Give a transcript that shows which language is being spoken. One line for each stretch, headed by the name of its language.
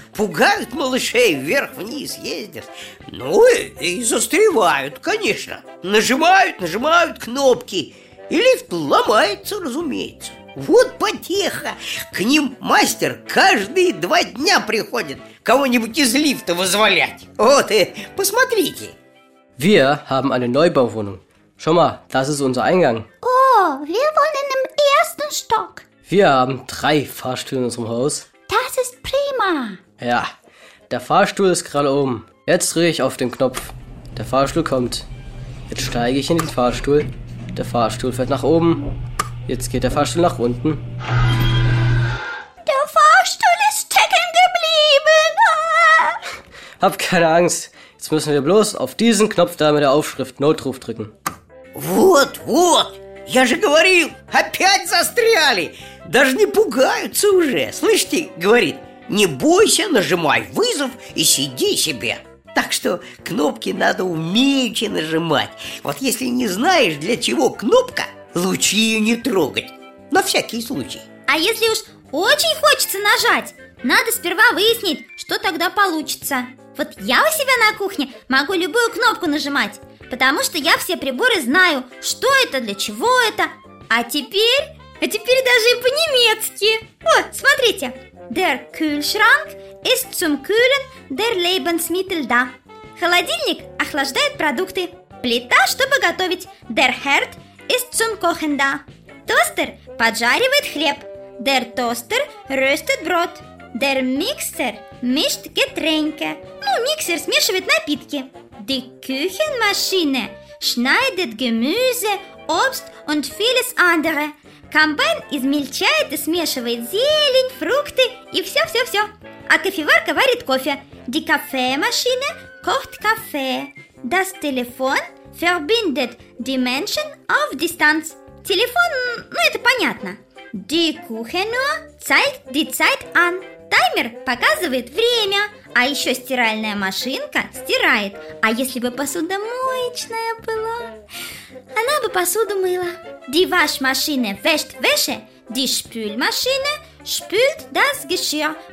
Russian: Пугают малышей, вверх-вниз ездят. Ну и застревают, конечно. Нажимают кнопки. И лифт ломается, разумеется. Вот потеха. К ним мастер каждые 2 дня приходит кого-нибудь из лифта вызволять. Вот, посмотрите.
German: Wir haben eine Neubauwohnung. Schau mal, das ist unser Eingang. Oh, wir wohnen im ersten Stock. Wir haben 3 Fahrstühle in unserem Haus. Das ist prima. Ja, der Fahrstuhl ist gerade oben. Jetzt drehe ich auf den Knopf. Der Fahrstuhl kommt. Jetzt steige ich in den Fahrstuhl. Der Fahrstuhl fährt nach oben. Jetzt geht der Fahrstuhl nach unten. Der Fahrstuhl ist stecken geblieben. Hab keine Angst. Jetzt müssen wir bloß auf diesen Knopf da mit der Aufschrift Notruf drücken.
Russian: Вот, вот. Я же говорил, опять застряли. Даже не пугаются уже. Слышите, говорит, не бойся, нажимай вызов и сиди себе. Так что кнопки надо умеючи нажимать. Вот если не знаешь, для чего кнопка, лучше ее не трогать. На всякий случай. А если уж очень хочется нажать, надо сперва выяснить, что тогда получится. Вот я у себя на кухне могу любую кнопку нажимать, потому что я все приборы знаю, что это, для чего это. А теперь даже и по-немецки. О, смотрите.
German: Der Kühlschrank ist zum Kühlen der Lebensmittel da.
Russian: Холодильник охлаждает продукты. Плита, чтобы готовить.
German: Der Herd ist zum Kochen da.
Russian: Тостер поджаривает хлеб.
German: Der Toaster röstet Brot. Der Mixer mischt Getränke.
Russian: Ну, миксер смешивает напитки.
German: Die Küchenmaschine schneidet Gemüse, Obst und vieles andere.
Russian: Комбайн измельчает и смешивает зелень, фрукты и все-все-все. А кофеварка варит кофе.
German: Die Kaffeemaschine kocht Kaffee. Das Telefon verbindet die Menschen auf Distanz.
Russian: Телефон, ну это понятно.
German: Die Küchenuhr zeigt die Zeit an.
Russian: Таймер показывает время. А еще стиральная машинка стирает. А если бы посудомоечная была, она бы посуду мыла.
German: Die Waschmaschine wäscht Wäsche. Die Spülmaschine spült das Geschirr.